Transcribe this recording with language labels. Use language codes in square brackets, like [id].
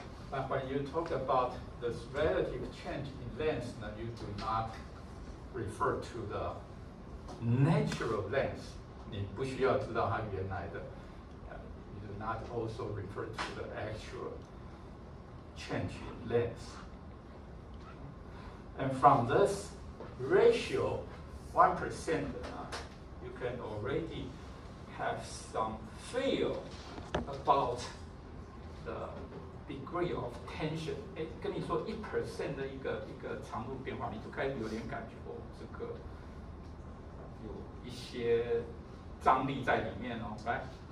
[en] But when you talk about this relative change in length, now you do not refer to the natural length. [zh] 你不需要知道它原来的。 [en] You do not also refer to the actual change in length. And from this ratio,1%, you can already have some feel about the degree of tension. [zh] 跟你说 1% 的一个长度变化，你就开始有点感觉哦，这个有一些张力在里面哦， right?